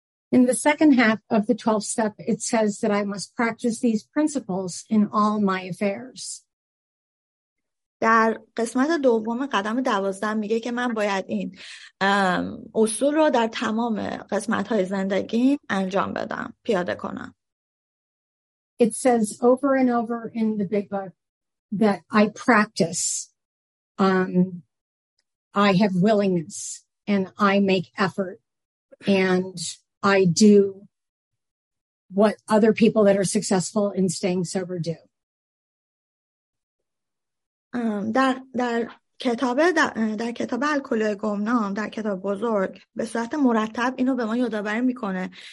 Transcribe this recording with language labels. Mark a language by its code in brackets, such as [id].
[en] In the second half of the 12th step, it says that I must practice these principles in all my affairs. [fa] در قسمت دوم قدم 12 میگه که من باید این اصول رو در تمام قسمت‌های زندگیم انجام بدم، پیاده کنم. [en] It says over and over in the big book that I practice I have willingness and I make effort and I do what other people that are successful in staying sober do. [fa] در کتاب الکلی گمنام، در کتاب بزرگ، به صورت مرتب اینو به ما یادآوری میکنه